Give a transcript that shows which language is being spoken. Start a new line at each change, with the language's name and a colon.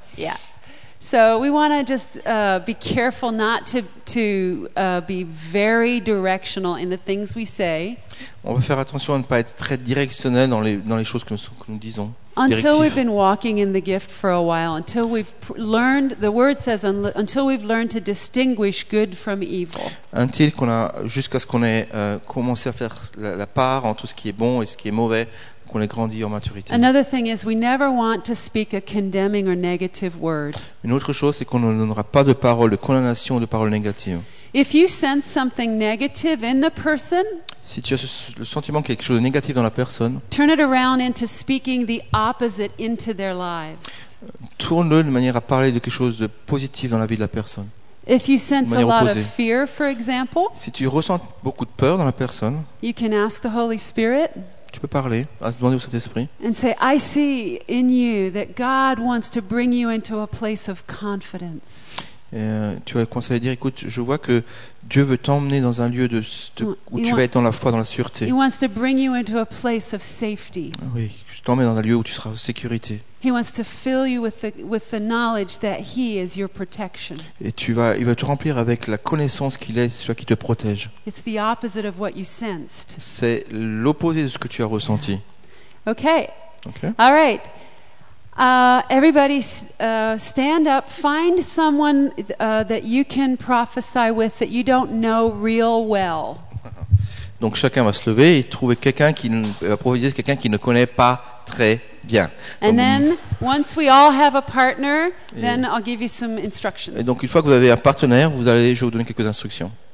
English: Yeah. So we want to just be careful not to be very directional in the things we say.
French: On va faire attention à ne pas être très directionnel dans les choses que nous disons.
English: Until we've been walking in the gift for a while, until we've learned, the word says, until we've learned to distinguish good from evil.
French: Until qu'on a jusqu'à ce qu'on ait commencé à faire la part entre ce qui est bon et ce qui est mauvais. Qu'on ait grandi en maturité.
English: Another thing is we never want to speak a condemning or negative word.
French: Une autre chose c'est qu'on ne donnera pas de paroles de condamnation ou de paroles négatives.
English: If you sense something negative in the person,
French: si tu as le sentiment qu'il y a quelque chose de négatif dans la personne,
English: turn it around into speaking the opposite into their lives.
French: Tourne-le de manière à parler de quelque chose de positif dans la vie de la personne.
English: If you sense a lot of fear, for example,
French: si tu ressens beaucoup de peur dans la personne,
English: you can ask the Holy Spirit.
French: Tu peux parler, à se demander au Saint-Esprit.
English: And say, I see in you that God wants to bring you into a place of confidence.
French: Et, tu vas commencer à dire, écoute, je vois que Dieu veut t'emmener dans un lieu où tu vas être dans la foi, dans la sûreté.
English: He wants to bring you into a place of safety.
French: Oui, je t'emmène dans un lieu où tu seras en sécurité.
English: He wants to fill you with the knowledge that He is your protection.
French: Et il va te remplir avec la connaissance qu'il est celui qui te protège.
English: It's the opposite of what you sensed.
French: C'est l'opposé de ce que tu as ressenti.
English: Okay. Okay. All right. Everybody, stand up. Find someone that you can prophesy with that you don't know real well.
French: Donc chacun va se lever et trouver quelqu'un qui va prophétiser, quelqu'un qui ne connaît pas très bien.
English: And then, once we all have a partner, then I'll give you some instructions.
French: Et donc une fois que vous avez un partenaire, je vais vous donner quelques instructions.